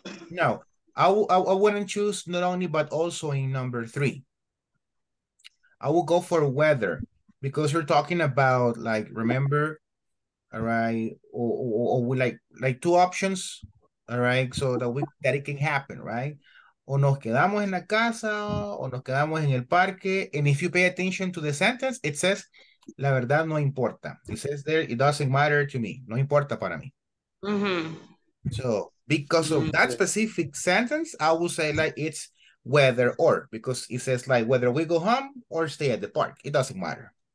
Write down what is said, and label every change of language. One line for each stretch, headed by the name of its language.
English: No, I wouldn't choose not only but also in number three. I will go for weather because you're talking about, like, remember, all right, or we like two options, all right, so that it can happen, right?
Spanish: O nos quedamos en la casa, o nos quedamos en el parque.
English: And if you pay attention to the sentence, it says,
Spanish: la verdad no importa.
English: It says there, it doesn't matter to me.
Spanish: No importa para mí. Mm-hmm.
English: So because of that specific sentence, I will say, like, it's whether or, because it says, like, whether we go home or stay at the park, it doesn't matter.